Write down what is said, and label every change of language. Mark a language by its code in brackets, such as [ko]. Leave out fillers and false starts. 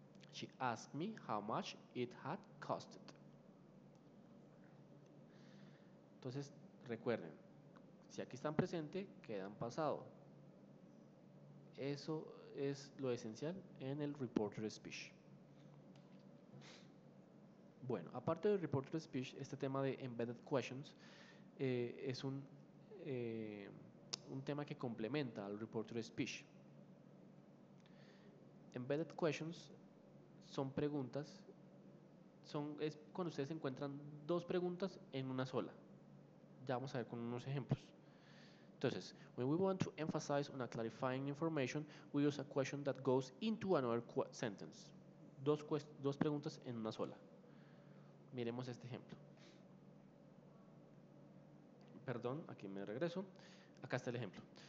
[en] She asked me how much it had costed. [es] Entonces, recuerden, si aquí están presente, quedan pasado. Eso es lo esencial en el report to speech. Bueno, aparte del report to speech, este tema de embedded questions es un tema que complementa al report to speech. Embedded questions son preguntas, es cuando ustedes encuentran dos preguntas en una sola. Ya vamos a ver con unos ejemplos. [en] Entonces, when we want to emphasize on a clarifying information, we use a question that goes into another sentence. [es] Dos preguntas en una sola. Miremos este ejemplo. Perdón, aquí me regreso. Acá está el ejemplo.